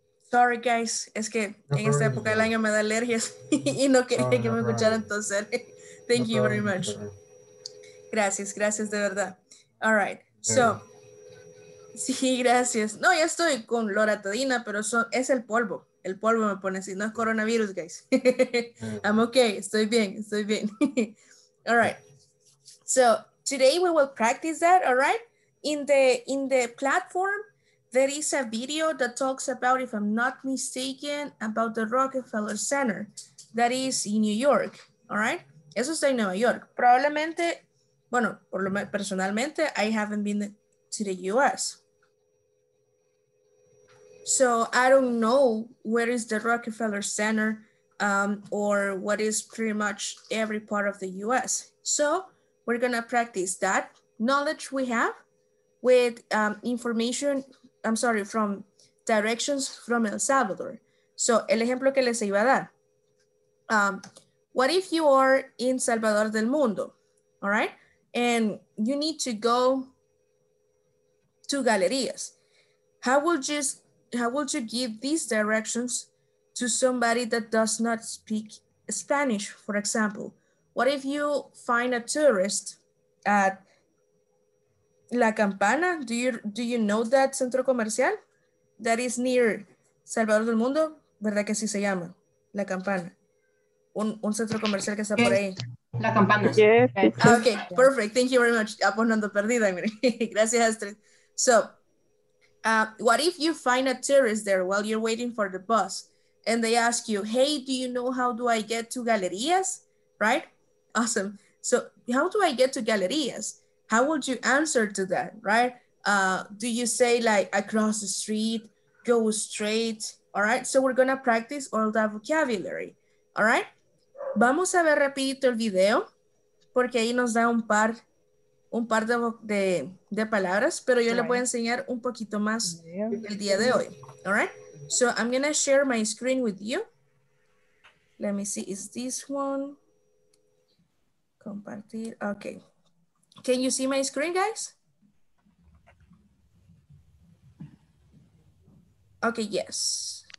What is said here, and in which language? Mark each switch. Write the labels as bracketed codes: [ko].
[es] Sorry, guys, es que en esta época del año me da alergias y no quería que me escucharan toser. Thank you very much. Gracias, gracias de verdad. All right, so, sí, gracias. No, ya estoy con loratadina, pero es el polvo me pone así, no es coronavirus, guys. I'm okay, estoy bien, estoy bien. [en] All right, so today we will practice that, all right? In the platform, there is a video that talks about, if I'm not mistaken, about the Rockefeller Center that is in New York, all right? Eso está en Nueva York. [es] Probablemente, bueno, por lo menos personalmente, I haven't been to the US. [en] So I don't know where is the Rockefeller Center or what is pretty much every part of the US. So we're gonna practice that knowledge we have with information, I'm sorry, from directions from El Salvador. [es] So, el ejemplo que les iba a dar. [en] What if you are in Salvador del Mundo, all right? And you need to go to galerías. How would you give these directions to somebody that does not speak Spanish, for example? What if you find a tourist at La Campana? Do you know that centro comercial that is near Salvador del Mundo? [es] ¿Verdad que así se llama? La Campana. Un centro comercial que está por ahí. La Campana. [en] Yes. Okay, perfect. Thank you very much. Ya poniendo perdida, mire. Gracias, Astrid. So, what if you find a tourist there while you're waiting for the bus and they ask you, hey, do you know how do I get to galerías? Right? Awesome. So, how do I get to galerías? How would you answer to that, right? Do you say like across the street, go straight, all right? So we're gonna practice all that vocabulary, all right? [es] Vamos a ver rapidito el video, porque ahí nos da un par de palabras, pero yo le voy a enseñar un poquito más el día de hoy, all right? [en] So I'm gonna share my screen with you. Let me see, is this one? Compartir, okay. Can you see my screen, guys? Okay, yes.